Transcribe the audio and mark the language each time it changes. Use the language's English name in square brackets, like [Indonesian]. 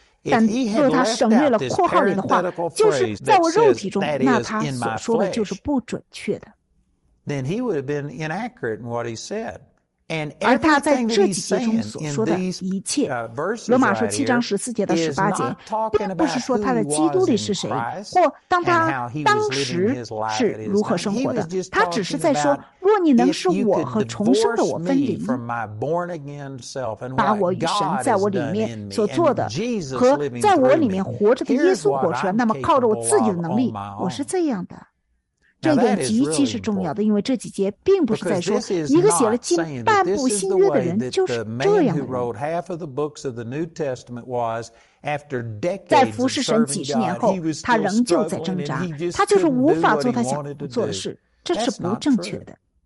[Chinese] 但若他省略了括号里的话，就是在我肉体中，那他所说的就是不准确的。 [English] Then he would have been inaccurate in what he said. And everything that he's saying in these verses right here is not talking about who he was in Christ and how he was living his life at his time. He was just talking about if you could divorce me from my born-again self and what God has done in me and Jesus living through me, here's what I can rely on my own. [Chinese] 这点极其是重要的，因为这几节并不是在说一个写了近半部新约的人就是这样的人。在服侍神几十年后，他仍旧在挣扎，他就是无法做他想做的事，这是不正确的。